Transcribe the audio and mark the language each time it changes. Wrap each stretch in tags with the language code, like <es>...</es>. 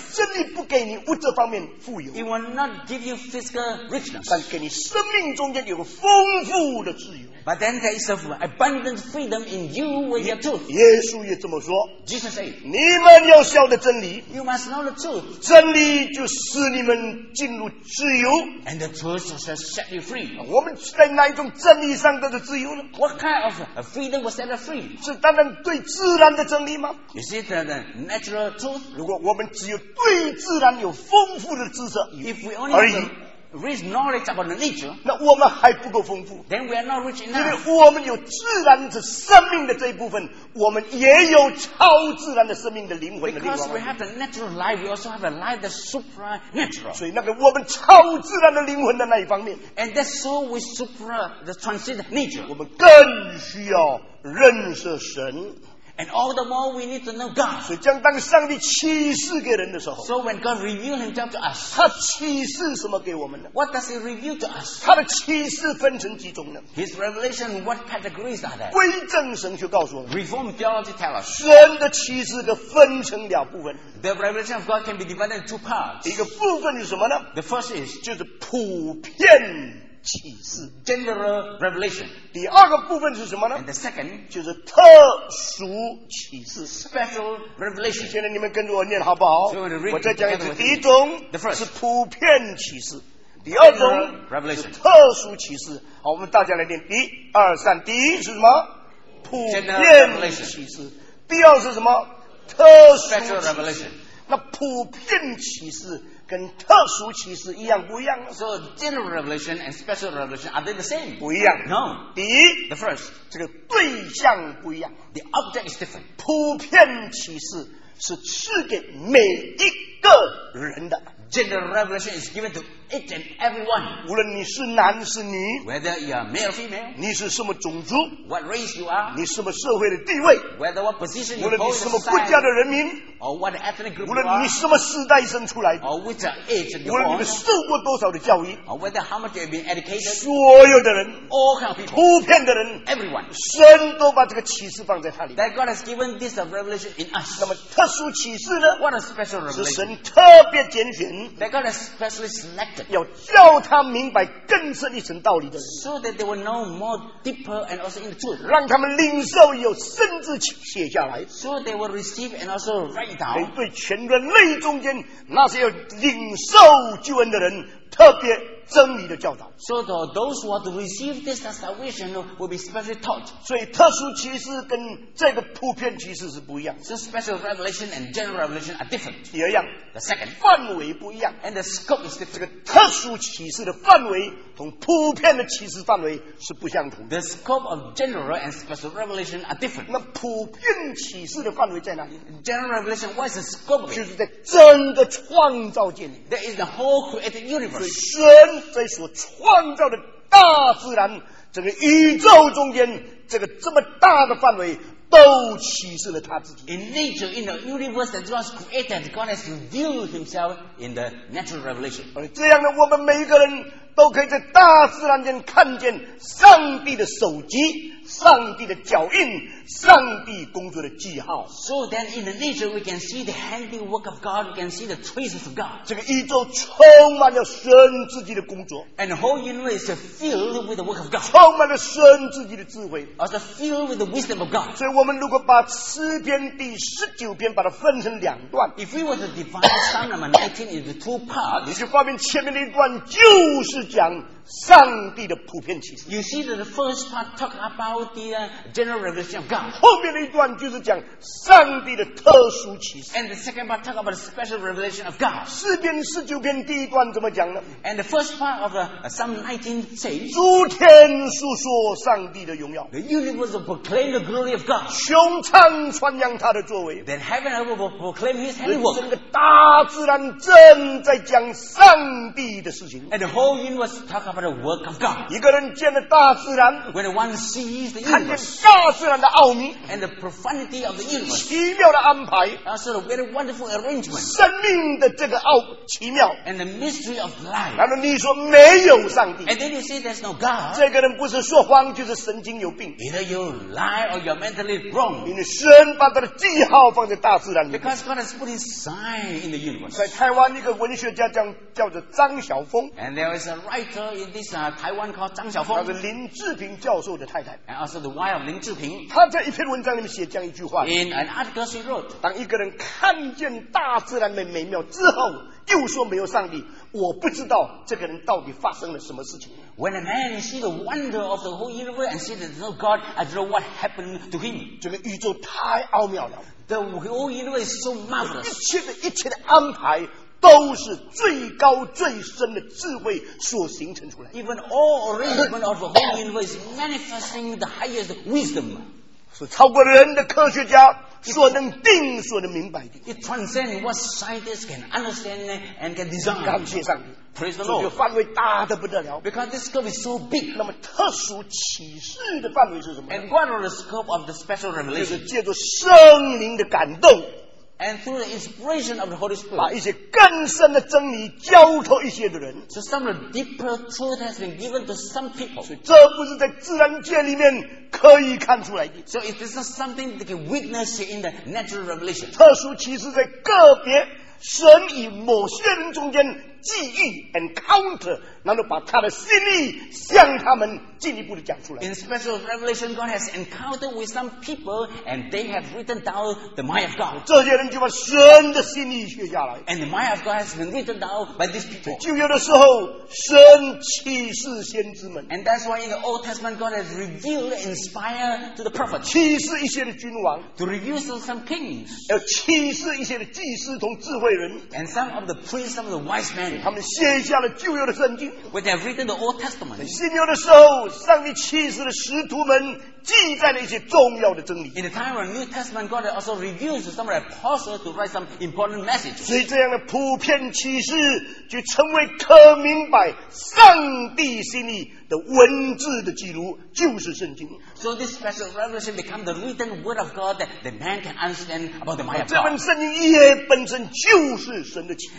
<zh>真理不给你物质方面富有。</zh> <en>It will not give you physical richness.</en> <zh>但给你生命中间有个丰富的自由。</zh> <en>But then there is an abundant freedom in you with your truth.</en> <zh>耶稣也这么说。</zh> <en>Jesus said,</en> <zh>你们要晓得真理。</zh> <en>You must know the truth.</en> <zh>真理就使你们进入自由。</zh> <en>And the truth shall set you free.</en> <zh>我们在哪一种真理上得的自由呢？</zh> <en>What kind of a freedom was set free?</en> <zh>是单单对自然的真理吗？</zh> <en>Is it the natural truth?</en> <zh>如果我们只有对自然有丰富的知识而已。</zh> <en>If we only have rich knowledge about the nature,</en> <zh>那我们还不够丰富。</zh> <en>Then we are not rich enough.</en> <zh>因为我们有自然的生命的这一部分，我们也有超自然的生命的灵魂的地方。</zh> <en>Because we have the natural life, we also have a life that's supernatural.</en> <zh>所以那个我们超自然的灵魂的那一方面。</zh> <en>And that's so we super the transcendent nature.</en> <zh>我们更需要认识神。</zh> <en>And all the more we need to know God.</en> <zh>所以将当上帝启示给人的时候，</zh> <en>So when God revealed himself to us,</en> <zh>他启示什么给我们呢？</zh> <en>What does he reveal to us?</en> <zh>他的启示分成几种呢？</zh> <en>His revelation, what categories are there?</en> <zh>归正神学告诉我们，</zh> <en>Reform theology tell us,</en> <zh>神的启示的分成两部分。</zh> <en>The revelation of God can be divided into two parts.</en> <zh>一个部分是什么呢？</zh> <en>The first is,</en> <zh>就是普遍启示</zh> <en>General revelation.</en> <zh>第二个部分是什么呢？</zh> <en>And the second</en> <zh>就是特殊启示</zh> <en>Special revelation.</en> <zh>现在你们跟着我念好不好？</zh> <en>So、read,</en> <zh>我再讲一次。第一种</zh> <en>the first</en> <zh>是普遍启示，第二种</zh> <en>revelation</en> <zh>是特殊启示。好，我们大家来念，一二三。第一是什么？普遍启示。第二是什么？特殊启示。</zh> <en>Revelation.</en> <zh>那普遍启示。跟特殊启示一样不一样？</zh> <en>So general revelation and special revelation are they the same?</en> <zh>不一样。</zh> <en>No.</en> <zh>第一</zh> <en>The first</en> <zh>这个对象不一样。</zh> <en>The object is different.</en> <zh>普遍启示是赐给每一个人的。</zh> <en>General revelation is given to each and everyone.</en> <zh>无论你是男是女，</zh> <en>Whether you are male or female,</en> <zh>你是什么种族，</zh> <en>What race you are,</en> <zh>你什么社会的地位，</zh> <en>Whether what position you hold in society,</en> <zh>无论你什么国家的人民，</zh> <en>Or what ethnic group you are,</en> <zh>无论你什么世代生出来的，</zh> <en>Or which age you are,</en> <zh>无论你们受过多少的教育，</zh> <en>Or whether how much you have been educated,</en> <zh>所有的人，</zh> <en>All kind of people,</en> <zh>普遍的人，</zh> <en>Everyone,</en> <zh>神都把这个启示放在他里面。</zh> <en>That God has given this revelation in us.</en> <zh>那么特殊启示呢？</zh> <en>What a special revelation.</en> <zh>是神特别拣选，</zh> <en>That God has specially selected.</en> <zh>要叫他明白更深一层道理的人，</zh> <en>So that they will know more deeper and also in the truth.</en> <zh>让他们领受有甚至写下来，</zh> <en>So they will receive and also write.</en> <zh>对全人类中间那些要领受救恩的人，特别真理的教导。</zh> <en>So those who are to receive this salvation will be specially taught.</en> <zh>所以特殊启示跟这个普遍启示是不一样。</zh> <en>So special revelation and general revelation are different.</en> <zh>第二样</zh> <en>，the second</en> <zh>范围不一样</zh> <en>，and the scope is different.</en> <zh>这个特殊启示的范围同普遍的启示范围是不相同。</zh> <en>The scope of general and special revelation are different.</en> <zh>那普遍启示的范围在哪里</zh> <en>？General revelation, what is the scope of it?</en> <zh>就是在整个创造界里。</zh> <en>That is the whole created universe.</en> <zh>神在所创造的大自然，整个宇宙中间，这个这么大的范围。都启示了他自己。</zh> <en>In nature, in the universe that God has created, God has revealed Himself in the natural revelation.</en> <zh>而这样呢，我们每一个人都可以在大自然间看见上帝的手迹、上帝的脚印、上帝工作的记号。</zh> <en>So then, in the nature, we can see the handiwork of God. We can see the traces of God.</en> <zh>这个宇宙充满了神自己的工作。</zh> <en>And the whole universe is filled with the work of God.</en> <zh>充满了神自己的智慧。</zh> <en>Also filled with the wisdom of God.</en> <zh>所以我们如果把诗篇第十九篇把它分成两段</zh> <en>，If we were to divide Psalm number 19 into two parts,</en> <zh>你就发现前面那一段就是。是讲上帝的普遍启示。</zh> <en>You see that the first part talk about the general revelation of God.</en> <zh>后面的一段就是讲上帝的特殊启示。</zh> <en>And the second part talk about the special revelation of God.</en> <zh>诗篇十九篇第一段怎么讲呢</zh> <en>？And the first part of Psalm 19 says,</en> <zh>诸天述说上帝的荣耀。</zh> <en>The universe will proclaim the glory of God.</en> <zh>穹苍传扬他的作为。</zh> <en>Then heaven and earth will proclaim His handiwork.</en> <zh>整个大自然正在讲上帝的事情。</zh> <en>And the whole universe talk.</en> <zh>一个人见了大自然，</zh> <en>When one sees the universe,</en> <zh>看见大自然的奥奥秘</zh> <en>and the profundity of the universe.</en> <zh>奇妙的安排</zh> <en>That's a very wonderful arrangement.</en> <zh>生命的这个奥奇妙</zh> <en>and the mystery of life.</en> <zh>然后你说没有上帝</zh> <en>and then you say there's no God.</en> <zh>这个人不是说谎，就是神经有病</zh> <en>Either you lie or you're mentally wrong.</en> <zh>因为神把他的记号放在大自然里</zh> <en>Because God has put his sign in the universe.</en> <zh>在台湾一个文学家叫做张晓峰</zh> <en>and there is a writer in this Taiwan called 张晓峰，</en> <zh>他是林志平教授的太太。</zh> <en>And also the wife of 林志平。</en> <zh>他在一篇文章里面写这样一句话</zh> <en>：In an article she wrote，</en> <zh>当一个人看见大自然的美妙之后，又说没有上帝，我不知道这个人到底发生了什么事情。</zh> <en>When a man see the wonder of the whole universe and see there's no God, I don't know what happened to him。</en> <zh>这个宇宙太奥妙了</zh> <en>，The whole universe is so marvelous。</en> <zh>一切的安排。都是最高最深的智慧所形成出来。</zh> <en>Even all arrangement of the whole universe manifesting the highest wisdom，</en> <zh>是超过人的科学家所能定、所能明白的。</zh> <en>It transcends what scientists can understand and can design。</en> <zh>感谢上帝。</zh> <en>Praise the Lord，</en> <zh>这个范围大得不得了。</zh> <en>Because this scope is so big，</en> <zh>那么特殊启示的范围是什么</zh> <en>？And what are the scope of the special revelation？</en> <zh>就是借助圣灵的感动。</zh> <en>And through the inspiration of the Holy Spirit,</en> <zh>把一些更深的真理交托一些的人</zh> <en>So some of the deeper truth has been given to some people.</en> <zh>所以这不是在自然界里面可以看出来的</zh> <en>So if this is something that can witness in the natural revelation.</en> <zh>特殊其实在个别神与某些人中间际遇 encounter， 然后把他的心意向他们进一步的讲出来。</zh> <en>In special revelation, God has encountered with some people, and they have written down the mind of God.</en> <zh>这些人就把神的心意写下来。</zh> <en>And the mind of God has been written down by these people.</en> <zh>旧约的时候，神启示先知们。</zh> <en>And that's why in the Old Testament, God has revealed, inspired to the prophets.</en> <zh>启示一些的君王。</zh> <en>To reveal to some kings.</en> <zh>要启示一些的祭司同智慧人。</zh> <en>And some of the priests, some of the wise men.</en> <zh>他们写下了旧约的圣经</zh> <en>When they have written the Old Testament</en> <zh>新约的时候上帝启示的使徒们记载了一些重要的真理</zh> <en>In the time of the New Testament God also reveals some of the apostles to write some important message</en> <zh>所以这样的普遍启示就成为可明白上帝心意的文字的记录就是圣经</zh> <en>So this special revelation becomes the written word of God that the man can understand about the mind of God</en> <zh>这本圣经也本身就是神的启示</zh>